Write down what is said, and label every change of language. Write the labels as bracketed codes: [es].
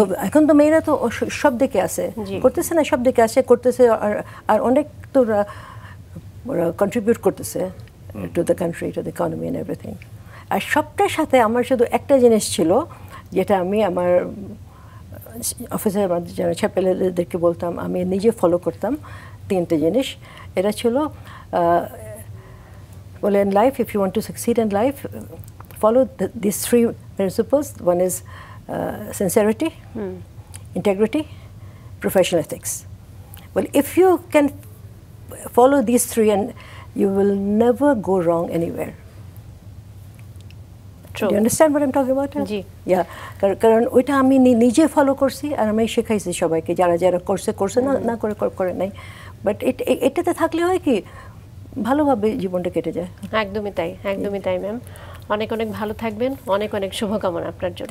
[bn] এখন তো মেয়েরা তো সব দিকে আছে, করতেছে না, সব দিকে আছে, করতেছে, আর অনেক তো ওরা কন্ট্রিবিউট করতেছে [en] To the country, to the economy and everything. [bn] আর সবটার সাথে আমার শুধু একটা জিনিস ছিল, যেটা আমি আমার অফিসের মাধ্যমে ছেলেদেরকে বলতাম, আমি নিজে ফলো করতাম, তিনটে জিনিস এটা ছিল। [en] Well, in life, if you want to succeed in life, follow these three principles. One is sincerity, integrity, professional ethics. Well, if you can follow these three, and you will never go wrong anywhere. True. Do you understand what I'm talking about? [bn] Ji. [en] Yeah. [bn] Karon oita ami nije follow korchi ar ami shekhaichi shobai ke jara jara korche korche na kore kore nai, but it etate thakle hoy ki ভালোভাবে জীবনটা কেটে যায়। একদমই তাই, একদমই তাই ma'am. অনেক অনেক ভালো থাকবেন, অনেক অনেক শুভকামনা আপনার জন্য।